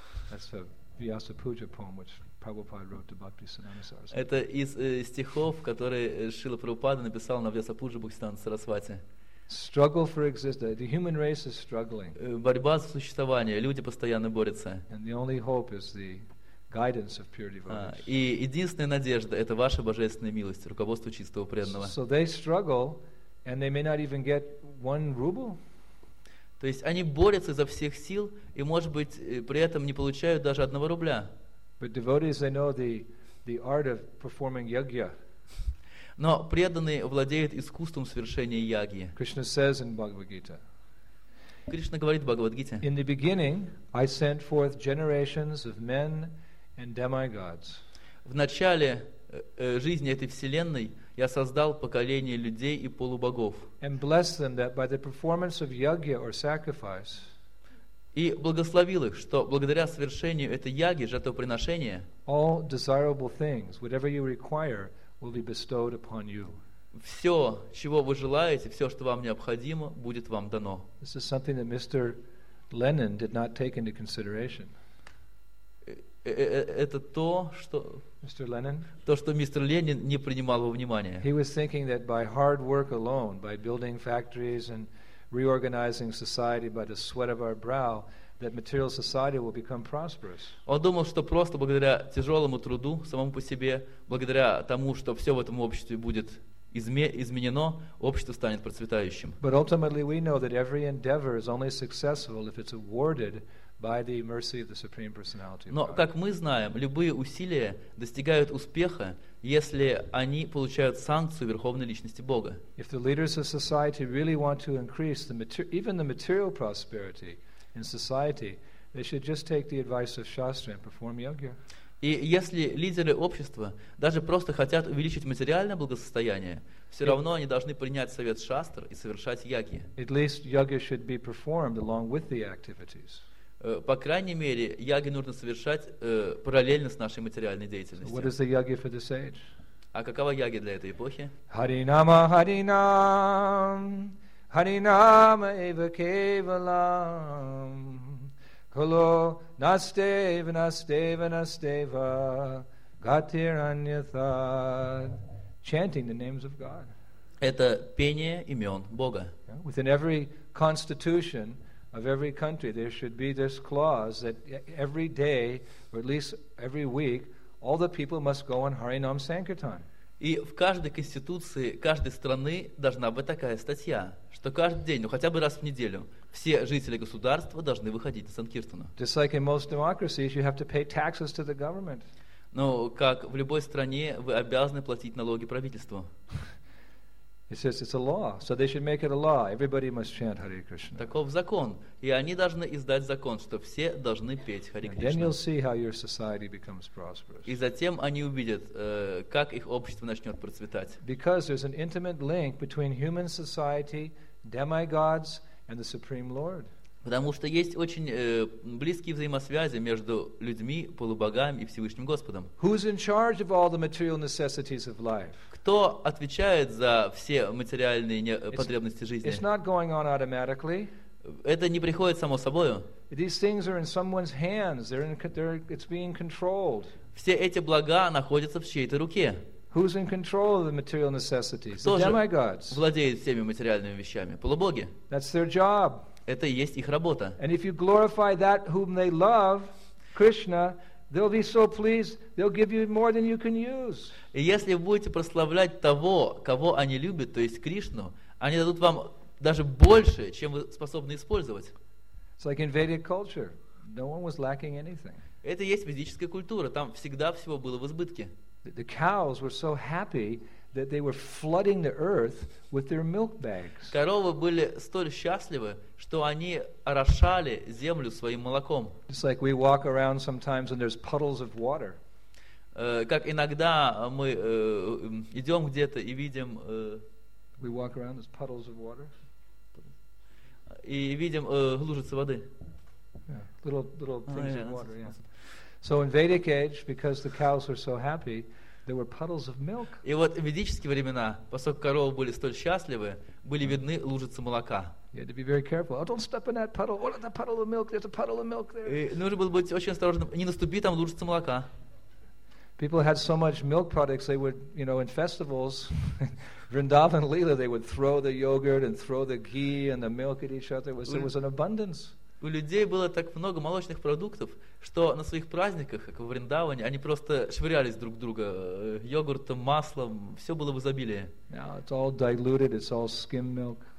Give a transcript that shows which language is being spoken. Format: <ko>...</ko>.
<en>That's a Vyasa Puja poem, which Prabhupada wrote to Bhakti Sananda Sarasvati.</en> <ru>Это из стихов, которые Шрила Прабхупада написал на Вьяса Пуджа Бхактисиддханта Сарасвати.</ru> <en>Struggle for existence. The human race is struggling.</en> <ru>Борьба за существование. Люди постоянно борются.</ru> <en>And the only hope is the guidance of pure devotees.</en> <ru>И единственная надежда — это ваша божественная милость, руководство чистого преданного.</ru> <en>So they struggle, and they may not even get one ruble.</en> <ru>То есть они борются изо всех сил и, может быть, при этом не получают даже одного рубля.</ru> <en>But devotees, they know the art of performing yagya.</en> <ru>Но преданные владеют искусством совершения яги.</ru> <en>Krishna says in Bhagavad Gita.</en> <ru>Кришна говорит в Бхагавад-гите.</ru> <en>In the beginning, I sent forth generations of men and demigods.</en> <ru>В начале жизни этой вселенной я создал поколение людей и полубогов.</ru> <en>And blessed them that by the performance of yagya or sacrifice.</en> <ru>И благословил их, что благодаря совершению этой яги, жертвоприношения,</ru> <en>all desirable things, whatever you require, will be bestowed upon you.</en> <ru>Все, чего вы желаете, все, что вам необходимо, будет вам дано.</ru> <en>This is something that Mr. Lenin did not take into consideration.</en> <ru>Это то, что</ru> <en>Mr. Lenin?</en> <ru>То, что мистер Ленин не принимал во внимание.</ru> <en>He was thinking that by hard work alone, by building factories and reorganizing society by the sweat of our brow, that material society will become prosperous.</en> <ru>Он думал, что просто благодаря тяжелому труду самому по себе, благодаря тому, что все в этом обществе будет изменено, общество станет процветающим.</ru> <en>But ultimately, we know that every endeavor is only successful if it's awarded by the mercy of the Supreme Personality.</en> <ru>Но как мы знаем, любые усилия достигают успеха, если они получают санкцию Верховной Личности Бога.</ru> <en>If the leaders of society really want to increase even the material prosperity in society, they should just take the advice of Shastra and perform yoga.</en> <ru>И если лидеры общества даже просто хотят увеличить материальное благосостояние, все равно они должны принять совет Шастр и совершать яги.</ru> <en>At least yoga should be performed along with the activities.</en> <ru>По крайней мере, яги нужно совершать параллельно с нашей материальной деятельностью.</ru> <en>What is the yoga for this age?</en> <ru>А какова яги для этой эпохи?</ru> <sa>Харинама, харинам, харинама эва кевалам. Hello, Nasteva, Nasteva, Nasteva, Gatir Anyathad.</sa> <en>Chanting the names of God.</en> <ru>Это пение имен Бога.</ru> <en>Within every constitution of every country, there should be this clause that every day, or at least every week, all the people must go on Harinam Sankirtan.</en> <ru>И в каждой конституции каждой страны должна быть такая статья, что каждый день, ну хотя бы раз в неделю, все жители государства должны выходить на санкиртану.</ru> <en>Just like in most democracies, you have to pay taxes to the government.</en> <ru>Ну, как в любой стране, вы обязаны платить налоги правительству.</ru> <en>It says it's a law, so they should make it a law. Everybody must chant Hare Krishna.</en> <ru>Таков закон, и они должны издать закон, что все должны петь Hare Krishna.</ru> <en>And then you'll see how your society becomes prosperous.</en> <ru>И затем они увидят, как их общество начнет процветать.</ru> <en>Because there's an intimate link between human society, demigods, and the Supreme Lord.</en> <ru>Потому что есть очень близкие взаимосвязи между людьми, полубогами и Всевышним Господом.</ru> <en>Who's in charge of all the material necessities of life?</en> <ru>Кто отвечает за все материальные потребности жизни?</ru> <en>It's not going on automatically.</en> <ru>Это не приходит само собой.</ru> <en>These things are in someone's hands. It's being controlled.</en> <ru>Все эти блага находятся в чьей-то руке.</ru> <en>Who's in control of the material necessities? The demigods.</en> <ru>Кто же владеет всеми материальными вещами? Полубоги.</ru> <en>That's their job.</en> <ru>Это и есть их работа.</ru> <en>And if you glorify that whom they love, Krishna, they'll be so pleased, they'll give you more than you can use.</en> <ru>И если вы будете прославлять того, кого они любят, то есть Кришну, они дадут вам даже больше, чем вы способны использовать.</ru> <en>It's like in Vedic culture. No one was lacking anything.</en> <ru>Это и есть ведическая культура. Там всегда всего было в избытке.</ru> <en>The cows were so happy that they were flooding the earth with their milk bags.</en> <ru>Коровы были столь счастливы, что они орошали землю своим молоком.</ru> <en>Just like we walk around sometimes and there's puddles of water.</en> <ru>Как иногда мы идем где-то и видим.</ru> <en>We walk around, there's puddles of water.</en> <ru>И видим лужицы воды.</ru> <en>Yeah. Little things of water. So in Vedic age, because the cows were so happy, there were puddles of milk.</en> <ru>И вот в ведические времена, поскольку коровы были столь счастливы, были видны лужицы молока.</ru> <en>You had to be very careful. Oh, don't step in that puddle. Oh, that puddle of milk. There's a puddle of milk there.</en> <ru>И нужно было быть очень осторожным. Не наступи там лужицы молока.</ru> <en>People had so much milk products, they would, you know, in festivals, Vrindavan Leela, they would throw the yogurt and throw the ghee and the milk at each other. It was an abundance.</en> <ru>У людей было так много молочных продуктов, что на своих праздниках, как в Вриндаване, они просто швырялись друг в друга йогуртом, маслом, все было в изобилии.</ru> <en>Now it's all diluted, it's all skim milk.</en>